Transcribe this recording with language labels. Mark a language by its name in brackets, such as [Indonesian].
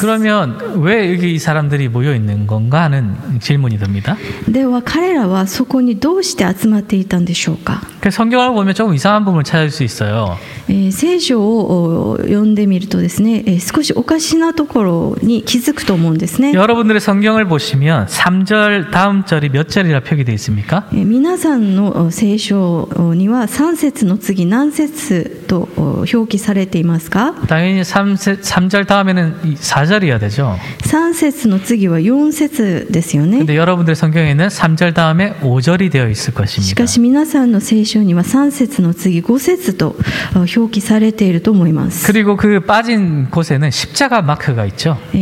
[Korean] 그러면 왜 여기 이 사람들이 모여 있는 건가 하는 질문이 듭니다. [Japanese] では彼らはそこにどうして集まっていたんでしょうか? [Korean] 성경을 보면 조금 이상한 부분을 찾을 수 있어요. [Japanese] 聖書を読んでみるとですね、少しおかしなところに気づくと思うんですね. [Korean] 여러분들의 성경을 보시면 3절 다음 절이 몇 절이라 표기되어 있습니까? [Japanese] 皆さんの聖書には3節の次何節と表記されていますか? [Korean] 당연히 3절 다음에는 4절이어야 되죠. [Japanese] 3節の次は4節ですよね. [Korean] 근데 여러분들의 성경에는 3절 다음에 5절이 되어 있을 것입니다. [Japanese] しかし皆さんの聖書には3節の次5節と表記されています. [Korean] 그리고 그 빠진 곳에는 십자가 마크가 있죠.